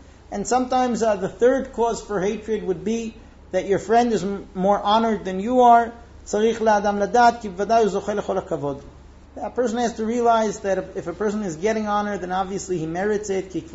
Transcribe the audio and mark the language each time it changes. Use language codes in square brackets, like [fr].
[en] And sometimes the third cause for hatred would be that your friend is more honored than you are. [he] צריך לאדם לדעת כי בוודאי הוא זוכה לכל הכבוד. [en] A person has to realize that if a person is getting honor, then obviously he merits it.